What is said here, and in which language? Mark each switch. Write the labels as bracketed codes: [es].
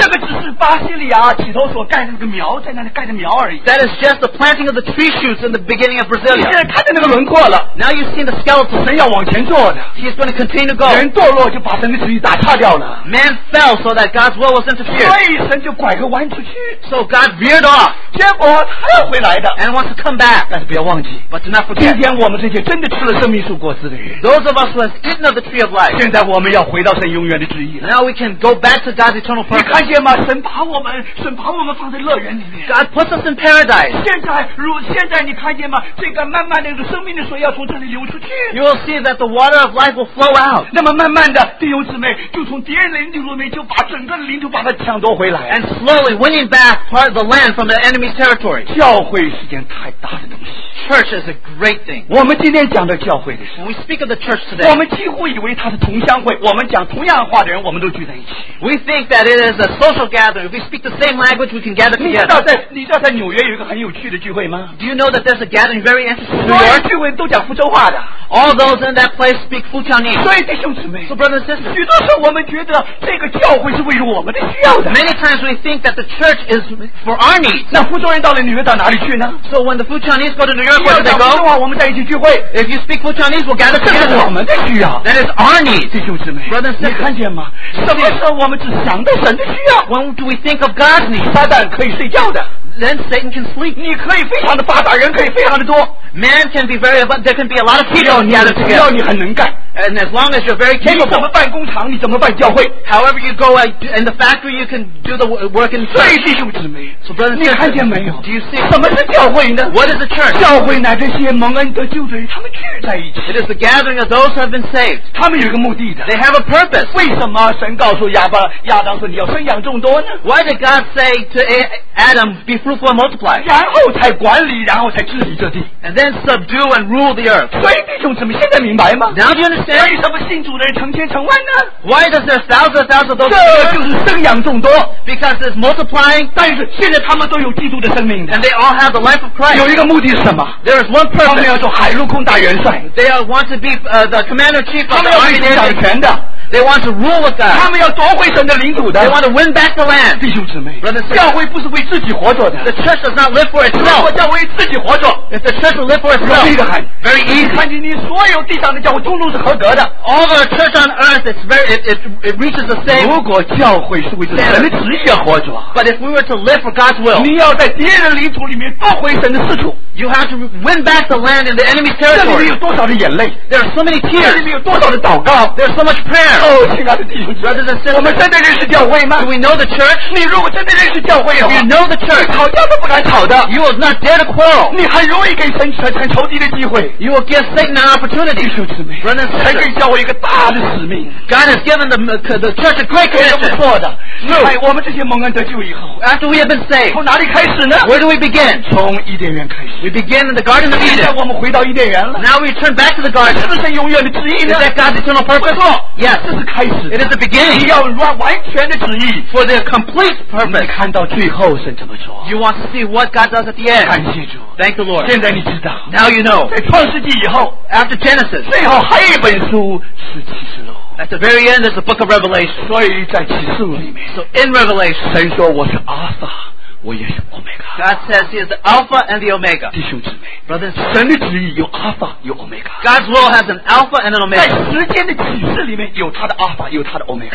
[zh] 这个只是巴西利亚起头所盖的那个苗，在那里盖的苗而已 [en] That is just the planting of the tree shoots in the beginning of Brazil. [zh] 你现在看见那个轮廓了 [en] Now you've seen the skeleton. [zh] 神要往前做的 [en] He's going to continue to go. [zh] 人堕落就把神的旨意打岔掉了 [en] Man fell so that God's will was interfered. [zh] 所以神就拐个弯出去 [en] So God veered off. [zh] 结果他要回来的 [en] And wants to come back. [zh] 但是不要忘记 [en] But do not forget. [zh] 今天我们这些真的吃了生命树果子的人 [en] ，Those of us who have eaten of the tree of life. [zh] 现在我们要回到神永远的旨意了。 [en] Now we can go back to God's eternal purpose. [zh] 你看见吗？神把我们放在乐园里面。 [en] God puts us in paradise. [zh] 现在你看见吗？这个慢慢的生命的水要从这里流出去。 [en] You will see that the water of life will flow out. [zh] 那么慢慢的弟兄姊妹就从敌人的领土里面就把整个领土把它抢夺回来。 [en] And slowly winning back part of the land from the enemy's territory. [zh] 教会是件太大的东西。 [en] Church church is a great thing. [zh] 我们今天讲的教会的事。 [en] We speak of the church today. [zh] 我们几乎以为它是同乡会，我们讲同样话的人，我们都聚在一起。 [en] We think that it is a social gathering. If we speak the same language, we can gather together. [zh] 你知道在纽约有一个很有趣的聚会吗 [en] ？Do you know that there's a gathering very interesting? [zh] 所有聚会都讲福州话的。 [en] All those in that place speak Fujianese. [zh] 所以弟兄姊妹 [en] ，So brothers and sisters, [zh] 许多时候我们觉得这个教会是为了我们的需要的。 [en] Many times we think that the church is for our needs. [zh] 那福州人到了纽约到哪里去呢 [en] ？So when the Fujianese go to New York, where do they go? [zh] 福州话我们在一起聚会。 [en] If you speak Fujianese, we'll gather together. [zh] 这是我们的需要。 [en] That is our needs, [zh] 弟兄姊妹 [en] ，brothers and sisters. [zh] 你看见吗？什么时候我们只想到神的需要 [en] ？When do we think of God's needs? [zh] 撒旦可以睡觉的。 [en] Then Satan can sleep. [zh] 你可以非常的发达，人可以非常的多。 [en] Man can be very abundant. There can be a lot of people gathered together. [zh] 只要你很能干。 [en] And as long as you're very capable. [zh] 你怎么办工厂？你怎么办教会 [en] ？However you go in the factory, you can do the work in. [zh] 所以弟兄姊妹 [en] ，So brothers and sisters, [zh] 你看见没有 [en] ？Do you see? [zh] 什么是教会呢 [en] ？What is the church? [zh] 教会乃这些蒙恩得救的人，他们聚在一起。 [en] It is the gathering of those who have been saved. [zh] 他们有一个目的的。 [en] They have a purpose. [zh] 为什么神告诉亚当说你要生养众多呢 [en] ？Why did God say to Adam be fruitful and multiply? [zh] 然后才管理，然后才治理这地。 [en] And then subdue and rule the earth. [zh] 所以弟兄姊妹，现在明白吗 [en] ？Now do you understand? [zh] 为什么信主的人成千成万呢 [en] ？Why does there thousands and thousands of those? [zh] 这就是生养众多。 [en] Because it's multiplying. [zh] 但是现在他们都有基督的生命的。 [en] And they all have the life of Christ. [zh] 有一个目的是什么 [en] ？There is one purpose. [zh] 他们要做海陆空大元帅。 [en] They want to be the commander chief of the army. [zh] 他们要领导权的。 [en] They want to rule with God. [zh] 他们要夺回神的领土的。 [en] They want to win back the land. [zh] 弟兄姊妹 [en] ，brothers， [zh] 教会不是为自己活着的。 [en] The church does not live for itself. [zh] 如果教会自己活着 [en] ，if the church will live for itself, [zh] 容易的很 [en] ，very easy. [zh] 看见你所有地上的教会通通是合格的。 [en] All the church on earth is very it reaches the same. [zh] 如果教会是为着神的旨意而活着 [en] ，but if we were to live for God's will, [zh] 你要在敌人的领土里面夺回神的四处。 [en] You have to win back the land in the enemy's territory. [zh] 这里面有多少的眼泪 [en] ？There are so many tears. [zh] 这里面有多少的祷告 [en] ？There's so much prayer. [zh] 哦，亲爱的弟兄姊妹，我们真的认识教会吗 [en] ？Do we know the church？ [zh] 你如果真的认识教会的话 [en] ，You know the church， [zh] 吵架都不敢吵的。 [en] You will not dare to quarrel。 [zh] 你很容易给神产仇敌的机会。 [en] You will give Satan an opportunity。 [zh] 弟兄姊妹，神给教会一个大的使命。 [en] God has given the church a great commission。 [zh] 错的。哎，我们这些蒙恩得救以后 [en] ，After we have been saved， [zh] 从哪里开始呢 [en] ？Where do we begin？ [zh] 从伊甸园开始。 [en] We begin in the Garden of Eden。 [zh] 现在我们回到伊甸园了。 [en] Now we turn back to the garden。 [zh] 是不是永远的旨意呢 [en] ？Is that God's eternal purpose？ [zh] 错。 [en] Yes。 It is the beginning. [zh] 你要完全的旨意 [en] for the complete purpose. [zh] 你看到最后神怎么做 [en] ？You want to see what God does at the end. [zh] 感谢主 [en] ，Thank the Lord. [zh] 现在你知道 [en] ，Now you know. [zh] 在创世纪以后 [en] ，After Genesis. [zh] 最后还有一本书是启示录。 [en] At the very end is the Book of Revelation. [zh] 所以在启示录里面 [en] ，So in Revelation. [zh] 神说我是 Alpha， 我也是 Omega. [en] God says He is the Alpha and the Omega. [zh] 弟兄姊妹 [en] ，Brothers. [zh] 神的旨意有 Alpha， 有 Omega. [en] God's will has an Alpha and an Omega. [zh] 在时间的启示里面有他的 Alpha， 有他的 Omega.